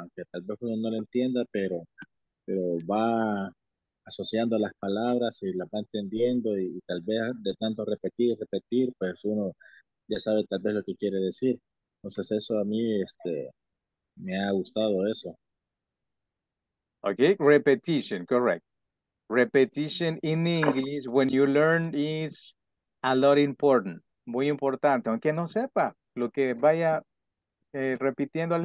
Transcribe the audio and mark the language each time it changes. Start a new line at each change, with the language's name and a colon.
Spanish: Aunque tal vez uno no lo entienda, pero va asociando las palabras y las va entendiendo. Y tal vez de tanto repetir y repetir, pues uno ya sabe tal vez lo que quiere decir. Entonces eso a mí me ha gustado eso.
English: Ok, repetition, correct. Repetition in English when you learn is a lot important.
Spanish: Muy importante, aunque no sepa lo que vaya repitiendo al